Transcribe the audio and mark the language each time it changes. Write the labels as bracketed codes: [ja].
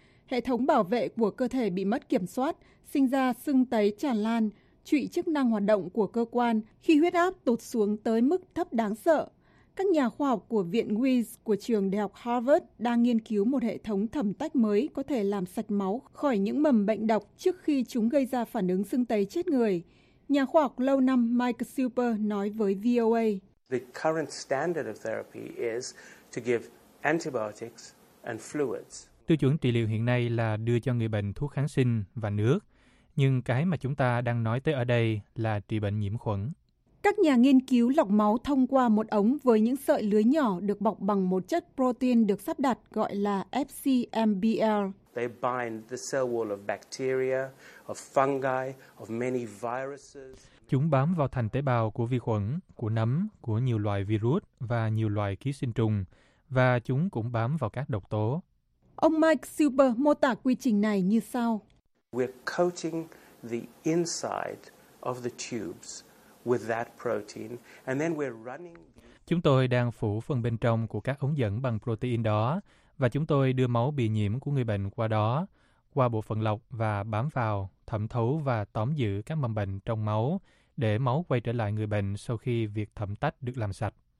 [vi] Hệ thống bảo vệ của cơ thể bị mất kiểm soát, sinh ra sưng tấy tràn lan, trụy chức năng hoạt động của cơ quan khi huyết áp tụt xuống tới mức thấp đáng sợ. Các nhà khoa học của Viện Weiss của trường Đại học Harvard đang nghiên cứu một hệ thống thẩm tách mới có thể làm sạch máu khỏi những mầm bệnh độc trước khi chúng gây ra phản ứng sưng tấy chết người. Nhà khoa học lâu năm Mike Super nói với VOA. [en] The current standard of therapy is to give antibiotics and fluids. [vi] Tiêu chuẩn trị liệu hiện nay là đưa cho người bệnh thuốc kháng sinh và nước, nhưng cái mà chúng ta đang nói tới ở đây là trị bệnh nhiễm khuẩn. Các nhà nghiên cứu lọc máu thông qua một ống với những sợi lưới nhỏ được bọc bằng một chất protein được sắp đặt gọi là FCMBL. [en] They bind the cell wall of bacteria, of fungi, of many viruses. [vi] Chúng bám vào thành tế bào của vi khuẩn, của nấm, của nhiều loại virus và nhiều loại ký sinh trùng, và chúng cũng bám vào các độc tố. Ông Mike Super mô tả quy trình này như sau. [en] We're coating the inside of the tubes with that protein, and then we're running. [vi] Chúng tôi đang phủ phần bên trong của các ống dẫn bằng protein đó, và chúng tôi đưa máu bị nhiễm của người bệnh qua đó, qua bộ phận lọc và bám vào, thẩm thấu và tóm giữ các mầm bệnh trong máu, để máu quay trở lại người bệnh sau khi việc thẩm tách được làm sạch.